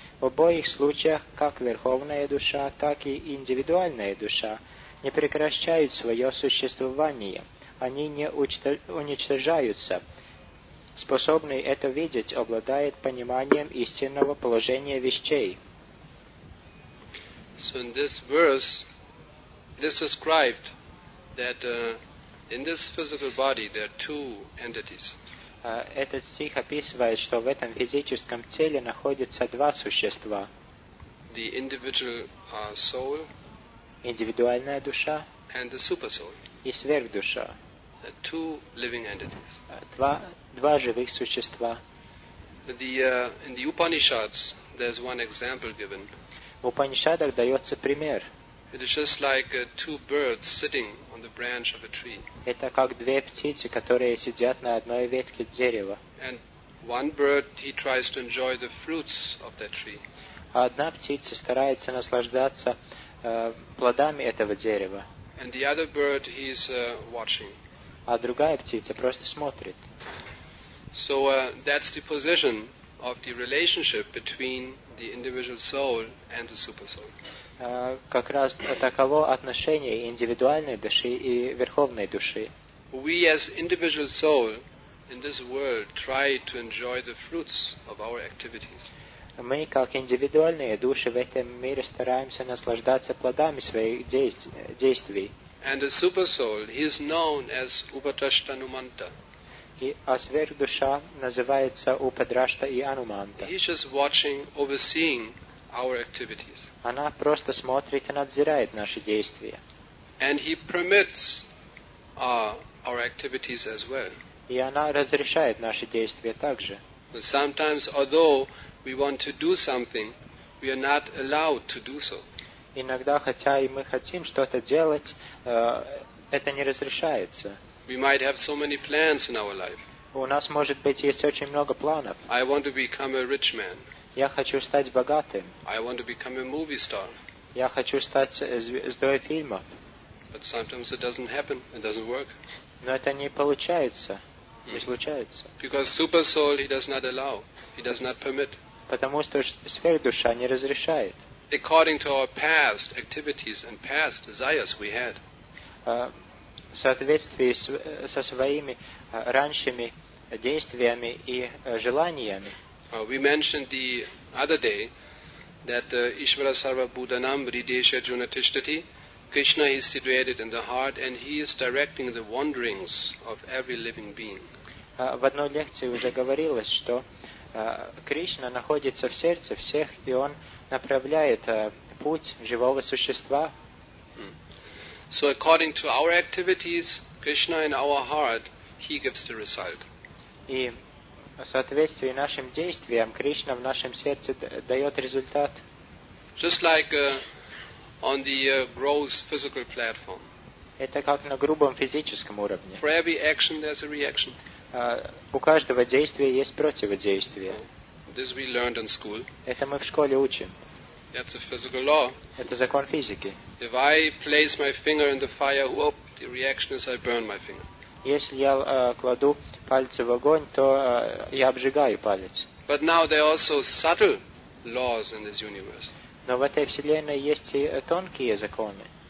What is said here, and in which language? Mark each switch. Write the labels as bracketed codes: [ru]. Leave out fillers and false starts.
[ru] В обоих случаях как «верховная душа», так и «индивидуальная душа» не прекращают свое существование. Они не уничтожаются. Способный это видеть обладает пониманием истинного положения вещей. [en] So in this verse, it is described that in this physical body there are two entities. [ru] Этот стих описывает, что в этом физическом теле находятся два существа. [en] The individual soul. [ru] Индивидуальная душа [en] and the super soul, [ru] и сверхдуша. [en] Two living entities. [ru] Два живых существа. [en] In the Upanishads, there's one example given. [ru] В Упанишадах дается пример. [en] It is just like two birds sitting on the branch of a tree. [ru] Это как две птицы, которые сидят на одной ветке дерева. [en] And one bird, he tries to enjoy the fruits of that tree. [ru] А одна птица старается наслаждаться плодами этого дерева. [en] And the other bird, he's watching. [ru] А другая птица просто смотрит. [en] So that's the position of the relationship between the individual soul and the super soul. [ru] Как раз таково отношение индивидуальной души и верховной души. [en] We as individual soul in this world try to enjoy the fruits of our activities. [ru] Мы, как индивидуальные души в этом мире, стараемся наслаждаться плодами своих действий. [en] And the super soul, he is known as Upatashta Numanta. [ru] А сверхдуша называется Упадрашта и Ануманта. [en] He is just watching, overseeing our activities. [ru] Она просто смотрит и надзирает наши действия. [en] And he permits our activities as well. [ru] И она разрешает наши действия также. [en] But sometimes, although we want to do something, we are not allowed to do so. [ru] Иногда, хотя и мы хотим что-то делать, это не разрешается. [en] We might have so many plans in our life. [ru] У нас может быть есть очень много планов. [en] I want to become a rich man. [ru] Я хочу стать богатым. [en] I want to become a movie star. [ru] Я хочу стать звездой фильма. [en] But sometimes it doesn't happen. It doesn't work. [ru] Но это не получается. Не случается. [en] Because super soul, he does not allow. He does not permit. [ru] Потому что сверхдуша не разрешает. [en] According to our past activities and past desires we had. [ru] В соответствии со своими ранними действиями и желаниями. [en] We mentioned the other day that [sa] Ishvara Sarva Bhutanam Ridesha Juna Tishtati. [en] Krishna is situated in the heart and he is directing the wanderings of every living being. [ru] В одной лекции уже говорилось, что Кришна находится в сердце всех, и он направляет путь живого существа. [en] So according to our activities, Krishna in our heart, he gives the result. [ru] И в соответствии нашим действиям, Кришна в нашем сердце дает результат. [en] Just like on the gross physical platform. [ru] Это как на грубом физическом уровне. [en] For every action, there's a reaction. [ru] У каждого действия есть противодействие. [en] This we learned in school. [ru] Это мы в школе учим. [en] That's a physical law. [ru] Это закон физики. [en] If I place my finger in the fire, whoop, the reaction is I burn my finger. [ru] Если я кладу пальцы в огонь, то я обжигаю палец. [en] But now there are also subtle laws in this universe. [ru] Но в этой вселенной есть и тонкие законы.